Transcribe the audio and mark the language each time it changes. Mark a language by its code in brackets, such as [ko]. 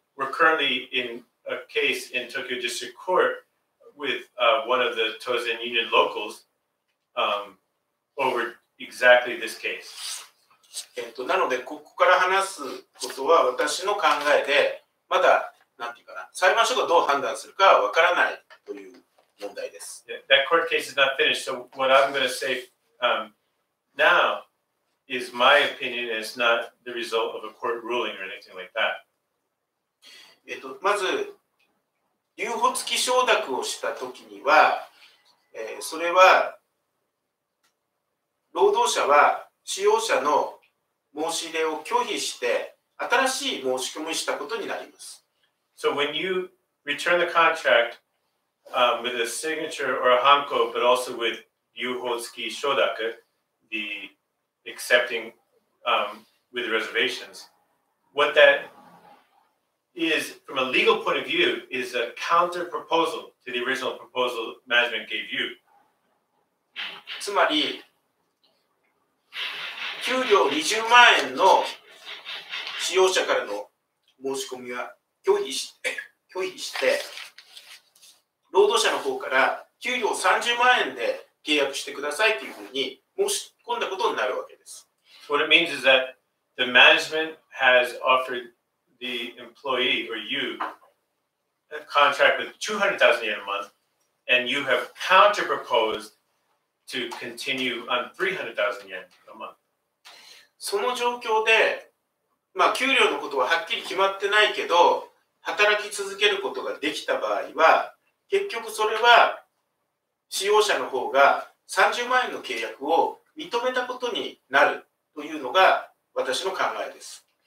[en] We're currently in a case in Tokyo District Court with、one of the Tozen Union locals、over exactly this case. [ja] なので、ここから話すことは私の考えで、まだ、なんていうかな、裁判所がどう判断するかわからないという問題です。 [en] Yeah, that court case is not finished, so what I'm going to say、now is my opinion, it's not the result of a court ruling or anything like that. [ja] まず留保付き承諾をしたときには、それは労働者は使用者の申し入れを拒否して新しい申し込みしたことになります。 [en] So when you return the contract、with a signature or a hanko, but also with 留保付き承諾、the accepting、with reservations, what thatis, from a legal point of view, is a counter-proposal to the original proposal management gave you. [ja] つまり、給料20万円の使用者からの申し込みは拒否して、労働者の方から給料30万円で契約してくださいというふうに申し込んだことになるわけです。 [en] So、what it means is that the management has offered... the employee or you a contract with 200,000 yen a month and you have counter proposed to continue on 300,000 yen a month. [ja] その状況で、まあ、給料のことははっきり決まってないけど働き続けることができた場合は結局それは使用者の方が30万円の契約を認めたことになるというのが私の考えです。